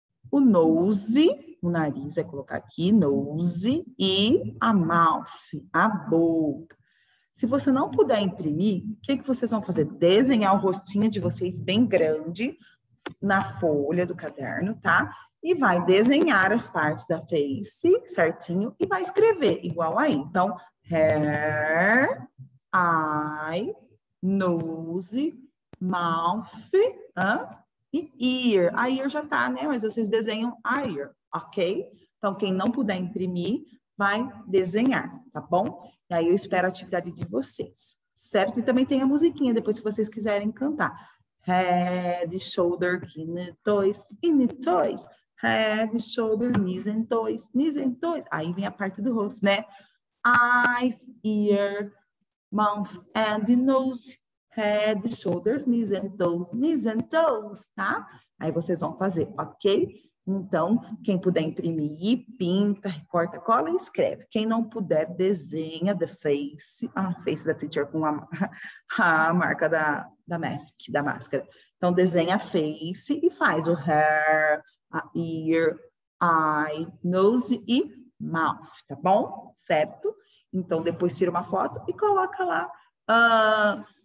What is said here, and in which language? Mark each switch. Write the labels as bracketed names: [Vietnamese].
[Portuguese] O nose. O nariz é colocar aqui, nose, e a mouth, a boca. Se você não puder imprimir, o que que vocês vão fazer? Desenhar o rostinho de vocês bem grande na folha do caderno, tá? E vai desenhar as partes da face certinho e vai escrever igual aí. Então, hair, eye, nose, mouth, e ear. A ear já tá, né? Mas vocês desenham a ear. Ok? Então, quem não puder imprimir, vai desenhar, tá bom? E aí eu espero a atividade de vocês, certo? E também tem a musiquinha, depois, se vocês quiserem cantar. [English] Head, shoulder, knees and toes, knees and toes. Head, shoulder, knees and toes. [Portuguese] Aí vem a parte do rosto, né? [English] Eyes, ear, mouth and nose. Head, shoulders, knees and toes, tá? [Portuguese] Aí vocês vão fazer, ok? Então, quem puder imprimir, pinta, recorta, cola e escreve. Quem não puder, desenha [English] the face, [Portuguese] a face da teacher com a marca da mask, da máscara. Então, desenha a face e faz o hair, a ear, eye, nose e mouth, tá bom? Certo? Então, depois tira uma foto e coloca lá